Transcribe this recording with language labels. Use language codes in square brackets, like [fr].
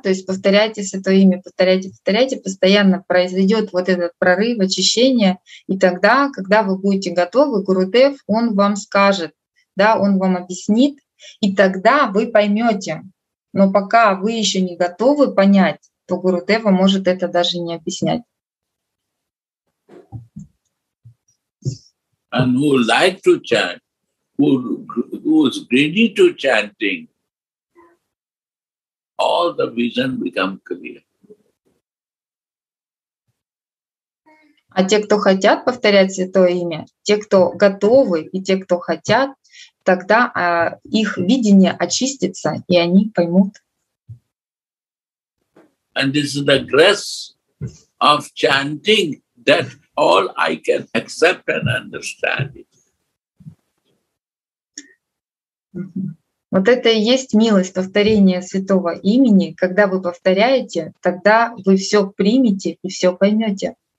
[ru] То есть повторяйте святое имя, повторяйте, постоянно произойдет вот этот прорыв, очищение. И тогда, когда вы будете готовы, Гурудев, он вам скажет, да, он вам объяснит. И тогда вы поймете, Но пока вы еще не готовы понять, то Гурудева может это даже не объяснять. [en] And who like to chant, who is greedy to chanting, all the vision become clear. [ru] А те, кто хотят повторять святое имя, те, кто готовы, и те, кто хотят, тогда их видение очистится, и они поймут. [en] And this is the grace of chanting that all I can accept and understand it. [ru] Вот это и есть милость повторения святого имени. Когда вы повторяете, тогда вы все примете и все поймете.